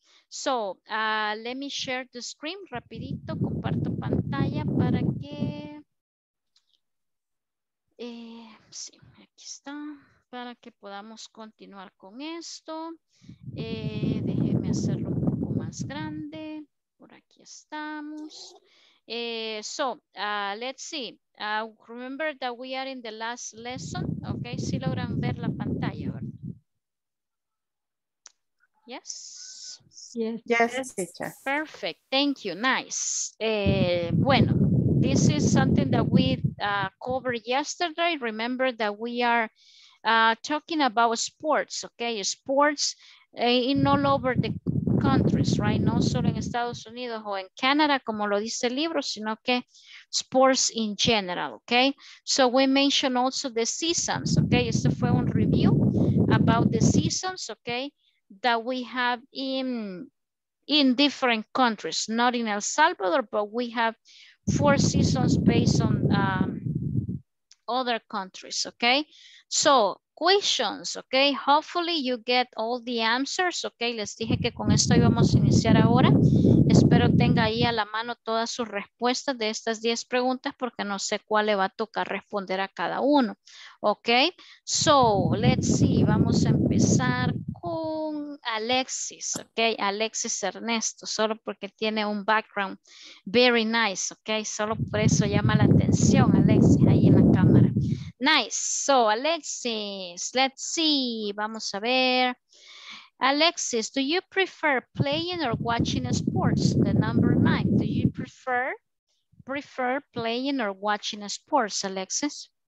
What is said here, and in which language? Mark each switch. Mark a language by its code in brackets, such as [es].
[en] So, let me share the screen rapidito, [es] comparto pantalla para que... sí, aquí está, para que podamos continuar con esto. Déjeme hacerlo un poco más grande, por aquí estamos. [en] Let's see. Remember that we are in the last lesson. [es] Okay, si logran ver la pantalla, ¿verdad? [en] Yes. Yes. Yes. Teacher. Perfect. Thank you. Nice. Bueno, this is something that we covered yesterday. Remember that we are talking about sports. Okay, sports in all over the countries, right? [es] No solo en Estados Unidos o en Canadá, como lo dice el libro, sino que [en] sports in general, [es] okay? [en] So we mentioned also the seasons, okay? [es] Este fue un [en] review about the seasons, okay? That we have in different countries, not in El Salvador, but we have four seasons based on other countries, okay? So questions, okay? Hopefully you get all the answers, okay? [es] Les dije que con esto íbamos a iniciar ahora. Espero tenga ahí a la mano todas sus respuestas de estas 10 preguntas porque no sé cuál le va a tocar responder a cada uno, okay? [en] So, let's see, [es] vamos a empezar con [en] Alexis, okay? [es] Alexis Ernesto, solo porque tiene un background [en] very nice, [es] okay? Solo por eso llama la atención Alexis ahí en la cámara. [en] Nice. So, Alexis, let's see. [es] Vamos a ver. [en] Alexis, do you prefer playing or watching sports? The number 9. Do you prefer playing or watching sports, Alexis?